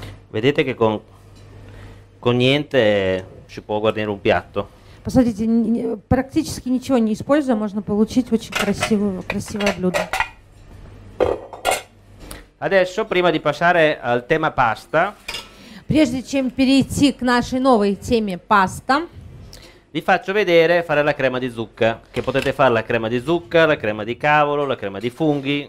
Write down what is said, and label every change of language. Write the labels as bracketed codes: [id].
[it] Vedete che con niente si può guarnire un piatto. [ru] Посмотрите, практически ничего не используя, можно получить очень красивое блюдо. [it] Adesso, prima di passare al tema pasta, [ru] прежде чем перейти к нашей новой теме паста, [it] vi faccio vedere fare la crema di zucca, che potete fare la crema di zucca, la crema di cavolo, la crema di funghi.